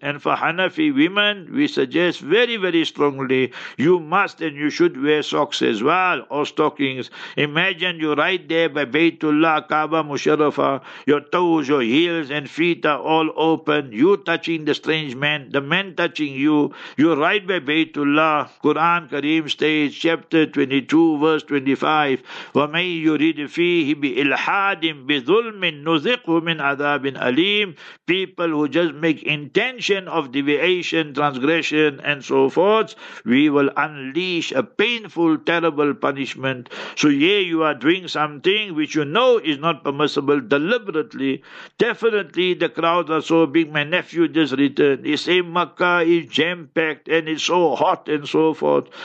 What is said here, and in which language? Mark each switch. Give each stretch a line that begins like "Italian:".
English: And for Hanafi women, we suggest very, very strongly, you must and you should wear socks as well, or stockings. Imagine you right there by Baytullah, Kaaba, Musharrafa, your toes, your heels and feet are all open, you touching the strange man, the man touching you, you right by Baytullah. Quran Kareem states, chapter 22 verse 25,
Arabic: وَمَنْ يُرِدْ فِيهِ بِإِلْحَادٍ بِظُلْمٍ نُذِقْهُ مِنْ عَذَابٍ أَلِيمٍ.
English: People who just make intention of deviation, transgression, and so forth, we will unleash a painful, terrible punishment. So yeah, you are doing something which you know is not permissible deliberately. Definitely, the crowds are so big. My nephew just returned. He said Makkah is jam-packed and it's so hot and so forth.